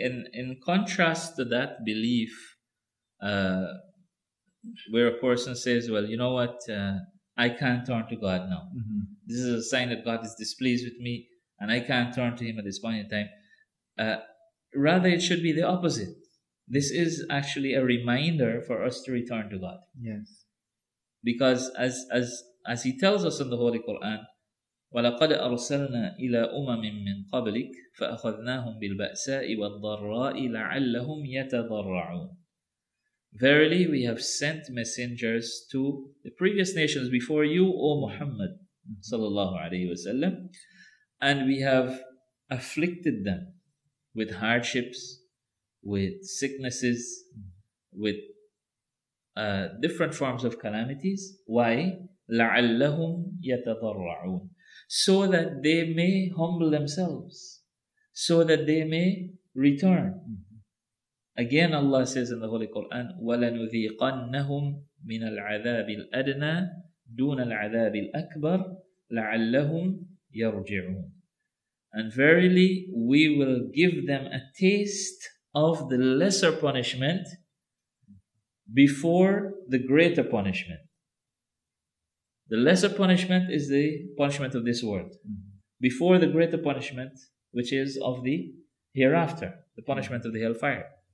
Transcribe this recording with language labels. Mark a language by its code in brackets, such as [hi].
[en] In contrast to that belief, where a person says, well, you know what, I can't turn to God now. Mm-hmm. This is a sign that God is displeased with me, and I can't turn to him at this point in time. Rather, it should be the opposite. This is actually a reminder for us to return to God. Yes. Because as he tells us in the Holy Quran, [ar] وَلَقَدْ أَرْسَلْنَا إِلَىٰ أُمَمٍ مِّن قَبْلِكَ فَأَخَذْنَاهُمْ بِالْبَأْسَاءِ وَالضَّرَّاءِ لَعَلَّهُمْ يَتَضَرَّعُونَ. [en] Verily, we have sent messengers to the previous nations before you, O Muhammad, sallallahu alaihi wasallam, and we have afflicted them with hardships, with sicknesses, with different forms of calamities. Why? [ar] لَعَلَّهُمْ يَتَضَرَّعُونَ. [en] So that they may humble themselves, so that they may return. Again, Allah says in the Holy Quran, [ar] وَلَنُذِيقَنَّهُمْ مِنَ الْعَذَابِ الْأَدْنَى دُونَ الْعَذَابِ الْأَكْبَرِ لَعَلَّهُمْ يَرْجِعُونَ. [en] And verily, we will give them a taste of the lesser punishment before the greater punishment. The lesser punishment is the punishment of this world. Before the greater punishment, which is of the hereafter, the punishment of the hellfire.